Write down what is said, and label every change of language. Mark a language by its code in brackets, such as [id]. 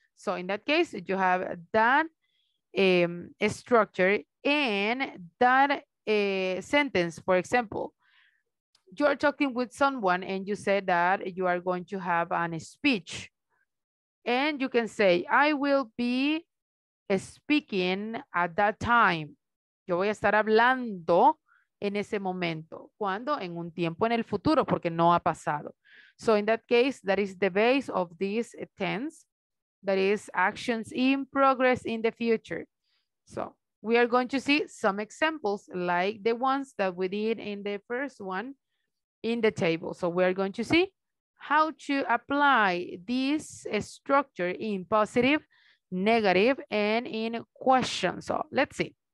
[en] So in that case, you have that a structure in that sentence. For example, you are talking with someone and you say that you are going to have a speech. And you can say, I will be speaking at that time. [es] Yo voy a estar hablando en ese momento. ¿Cuándo? En un tiempo en el futuro, porque no ha pasado. [en] So in that case, that is the base of this tense. That is actions in progress in the future. So we are going to see some examples like the ones that we did in the first one in the table. So we are going to see how to apply this structure in positive, negative, and in questions. So let's see.